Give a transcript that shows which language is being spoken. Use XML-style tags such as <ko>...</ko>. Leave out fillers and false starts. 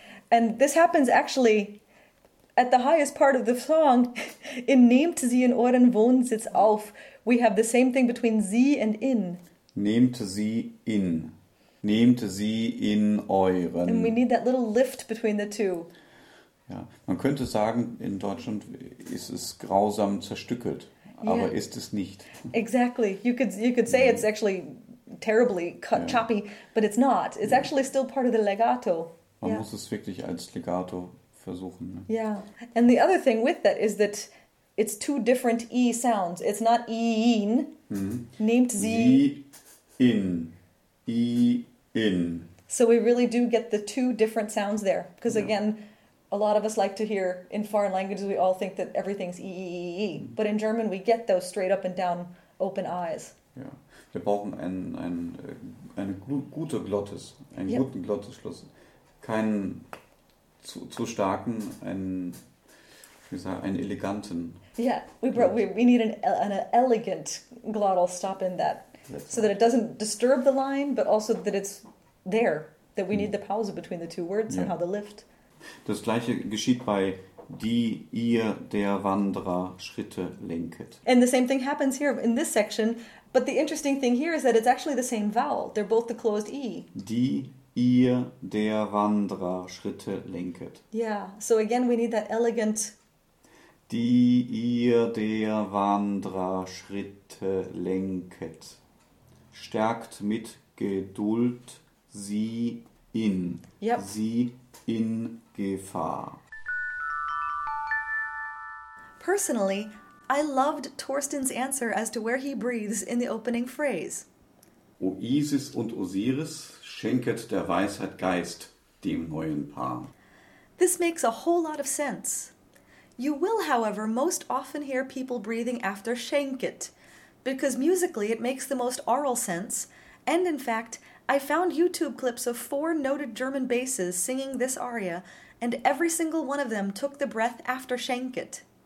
<en>And this happens actually at the highest part of the song, in</en> <de>nehmt sie in euren Wohnsitz auf.</de> <en>We have the same thing between sie and in.</en> <de>Nehmt sie in. Nehmt sie in euren.</de> <en>And we need that little lift between the two.</en> <de>Ja, man könnte sagen, in Deutschland ist es grausam zerstückelt, aber ist es nicht.</de> <en>Exactly. You could say it's actually terribly cut, choppy, but it's not. It's actually still part of the legato.</en> <de>Man muss es wirklich als legato versuchen. Ne?</de> <en>Yeah. And the other thing with that is that it's two different E sounds. It's not E-in. Mm-hmm.</en> <de>Nehmt sie in. E-in.</de> <en>So we really do get the two different sounds there. Because again, a lot of us like to hear, in foreign languages, we all think that everything's E-e-e-e-e. Mm-hmm. But in German, we get those straight up and down open eyes.</en> <de>Yeah. Wir brauchen eine gute Glottis. Einen guten Glottisschluss. Keinen zu starken, einen eleganten.</de> <en>Yeah, we need an elegant glottal stop in that. So that it doesn't disturb the line, but also that it's there. That we need the pause between the two words somehow, the lift.</en> <de>Das gleiche geschieht bei die ihr der Wanderer Schritte lenket.</de> <en>And the same thing happens here in this section. But the interesting thing here is that it's actually the same vowel. They're both the closed E.</en> <de>Die ihr der Wanderer Schritte lenket.</de> <en>Yeah, so again we need that elegant.</en> <de>Die ihr der Wanderer Schritte lenket. Stärkt mit Geduld sie in.</de> <en>Yep.</en> <de>Sie in Gefahr.</de> <en>Personally, I loved Thorsten's answer as to where he breathes in the opening phrase.</en> <de>O Isis und Osiris, schenket der Weisheit Geist dem neuen Paar.</de> <en>This makes a whole lot of sense. You will, however, most often hear people breathing after schenket, because musically it makes the most aural sense, and in fact, I found YouTube clips of four noted German basses singing this aria, and every single one of them took the breath after schenket.</en>